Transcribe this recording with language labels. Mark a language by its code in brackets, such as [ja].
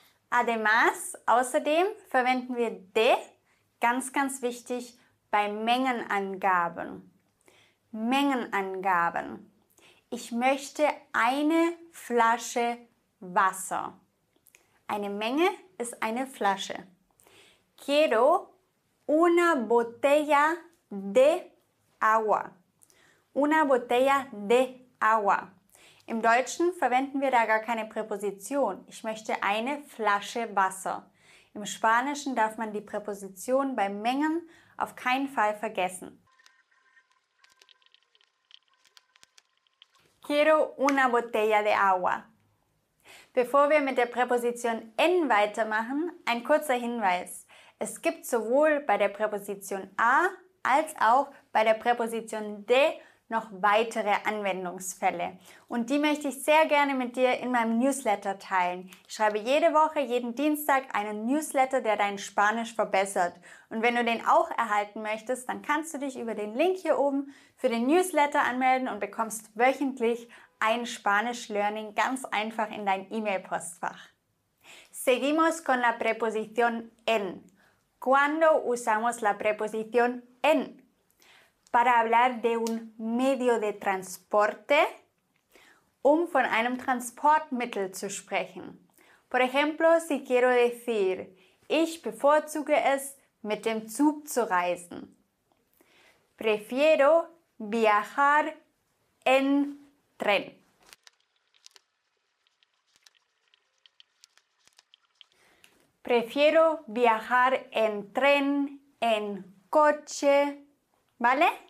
[de] Además, außerdem verwenden wir de, ganz, ganz wichtig, bei Mengenangaben. Mengenangaben. Ich möchte eine Flasche Wasser. Eine Menge ist eine Flasche. [es] Quiero una botella de agua. Una botella de agua. [de] Im Deutschen verwenden wir da gar keine Präposition. Ich möchte eine Flasche Wasser. Im Spanischen darf man die Präposition bei Mengen auf keinen Fall vergessen. [es] Quiero una botella de agua. [de] Bevor wir mit der Präposition en weitermachen, ein kurzer Hinweis. Es gibt sowohl bei der Präposition a als auch bei der Präposition de noch weitere Anwendungsfälle. Und die möchte ich sehr gerne mit dir in meinem Newsletter teilen. Ich schreibe jede Woche, jeden Dienstag einen Newsletter, der dein Spanisch verbessert. Und wenn du den auch erhalten möchtest, dann kannst du dich über den Link hier oben für den Newsletter anmelden und bekommst wöchentlich ein Spanisch-Learning ganz einfach in dein E-Mail-Postfach. [es] Seguimos con la preposición en. ¿Cuándo usamos la preposición en? Para hablar de un medio de transporte, [de] um von einem Transportmittel zu sprechen. [es] Por ejemplo, si quiero decir, [de] ich bevorzuge es, mit dem Zug zu reisen. [es] Prefiero viajar en tren. Prefiero viajar en tren, en coche, ¿vale?